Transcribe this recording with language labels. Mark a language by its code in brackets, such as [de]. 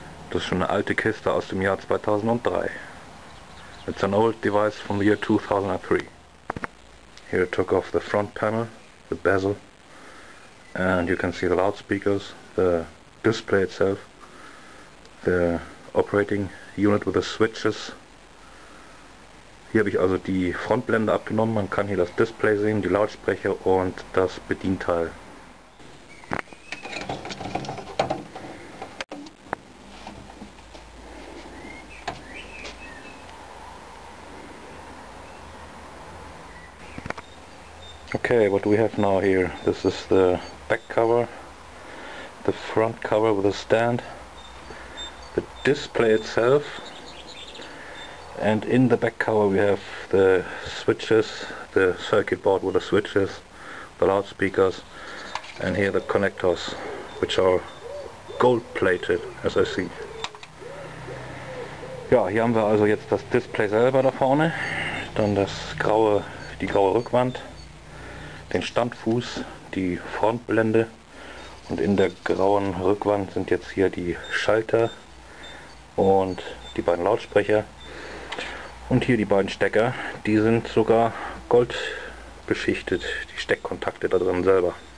[de] Das ist schon eine alte Kiste aus dem Jahr 2003. [en] It's an old device from the year 2003. Here it took off the front panel, the bezel. And you can see the loudspeakers, the display itself, the operating unit with the switches. [de] Hier habe ich also die Frontblende abgenommen. Man kann hier das Display sehen, die Lautsprecher und das Bedienteil. [en] Okay, what do we have now here? This is the back cover, the front cover with a stand, the display itself, and in the back cover we have the switches, the circuit board with the switches, the loudspeakers, and here the connectors, which are gold plated, as I see. [de] Ja, hier haben wir also jetzt das Display selber da vorne, dann das graue, die graue Rückwand, den Standfuß, die Frontblende und in der grauen Rückwand sind jetzt hier die Schalter und die beiden Lautsprecher und hier die beiden Stecker, die sind sogar gold beschichtet, die Steckkontakte da drin selber.